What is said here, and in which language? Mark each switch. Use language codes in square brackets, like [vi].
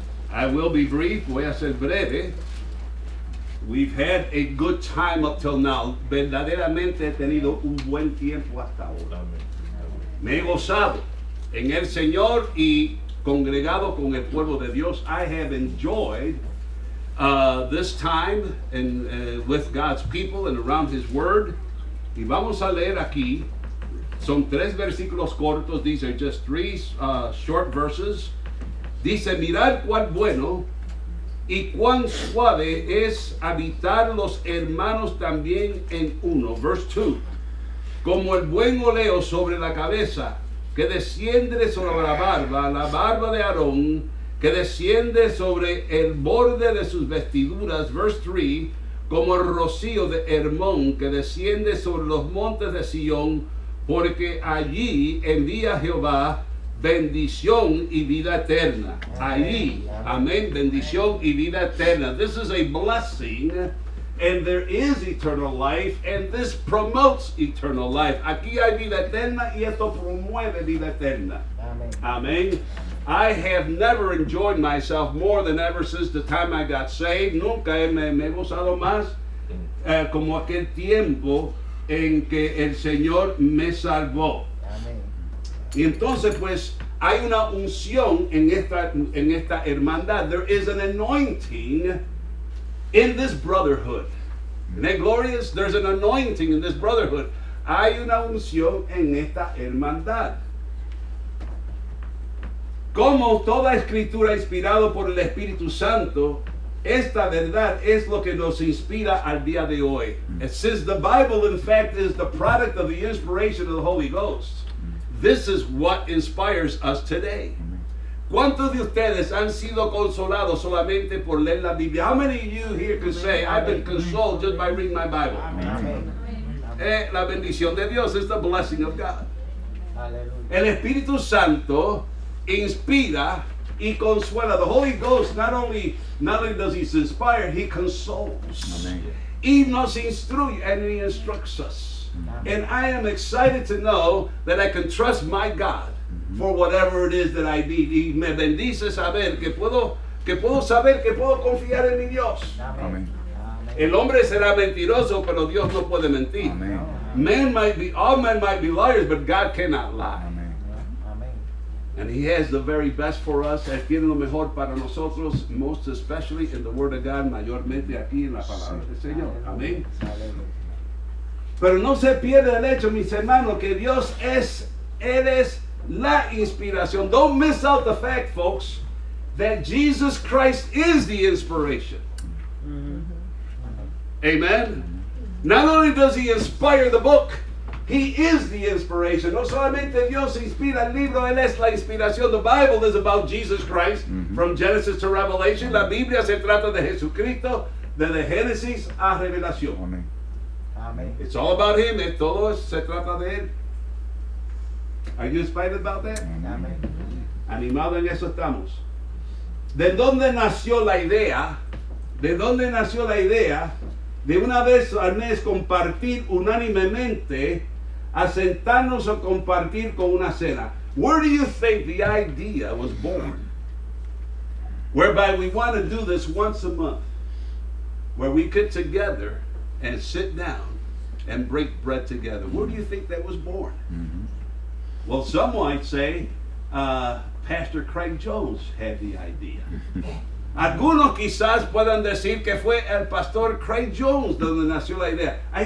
[en] I will be brief. [es] Voy a ser breve. [en] We've had a good time up till now. [es] Verdaderamente he tenido un buen tiempo hasta ahora. Me he gozado en el Señor y congregado con el pueblo de Dios. [en] I have enjoyed this time and with God's people and around His Word. [es] Y vamos a leer aquí. Son tres versículos cortos. [en] These are just three short verses. [es] Dice, mirad cuán bueno y cuán suave es habitar los hermanos también en uno. [en] Verse 2. [es] Como el buen oleo sobre la cabeza, que desciende sobre la barba de Aarón, que desciende sobre el borde de sus vestiduras. [en] Verse 3. [es] Como el rocío de Hermón, que desciende sobre los montes de Sion, porque allí envía Jehová bendición y vida eterna. Allí, amén, bendición y vida eterna. [en] This is a blessing, and there is eternal life, and this promotes eternal life. [es] Aquí hay vida eterna, y esto promueve vida eterna. Amén. [en] I have never enjoyed myself more than ever since the time I got saved. [es] Nunca me he gozado más como aquel tiempo en que el Señor me salvó. Y entonces, pues, hay una unción en esta hermandad. [en] There is an anointing in this brotherhood. Isn't that glorious? There's an anointing in this brotherhood. [es] Hay una unción en esta hermandad. Como toda escritura inspirada por el Espíritu Santo, esta verdad es lo que nos inspira al día de hoy. [en] It says the Bible, in fact, is the product of the inspiration of the Holy Ghost. This is what inspires us today. [es] ¿Cuántos de ustedes han sido consolados solamente por leer la Biblia? [en] How many of you here can say, I've been consoled just by reading my Bible? Amen. Amen. [es] La bendición de Dios [en] is the blessing of God. Hallelujah. [es] El Espíritu Santo inspira y consuela. [en] The Holy Ghost not only does He inspire, He consoles. Amen. [es] Y nos instruye [en] and He instructs us. And I am excited to know that I can trust my God for whatever it is that I need. [es] Y me bendice saber que puedo confiar en mi Dios. [en] Amen. [es] El hombre será mentiroso, pero Dios no puede mentir. [en] Amen. All men might be liars, but God cannot lie. Amen. And He has the very best for us. [es] Él tiene lo mejor para nosotros, [en] most especially in the Word of God, [es] mayormente aquí en la Palabra del Señor. Amen. Pero no se pierde el hecho, mis hermanos, que Dios es, Él es la inspiración. [en] Don't miss out the fact, folks, that Jesus Christ is the inspiration. Mm-hmm. Amen. Not only does He inspire the book, He is the inspiration. [es] No solamente Dios inspira el libro, Él es la inspiración. [en] The Bible is about Jesus Christ, mm-hmm. from Genesis to Revelation. [es] Mm-hmm. La Biblia se trata de Jesucristo, desde Génesis a Revelación. [en] Amen. It's all about Him. [es] Es todo, se trata de Él. [en] Are you inspired about that? Amen. [es] Animado en eso estamos. ¿De dónde nació la idea? ¿De dónde nació la idea de una vez al mes compartir unánimemente, asentarnos o compartir con una cena? [en] Where do you think the idea was born? Whereby we want to do this once a month, where we get together and sit down and break bread together. Where do you think that was born? Mm-hmm. Well, some might say Pastor Craig Jones had the idea. [es] Algunos quizás puedan decir que fue el pastor Craig Jones donde nació la idea.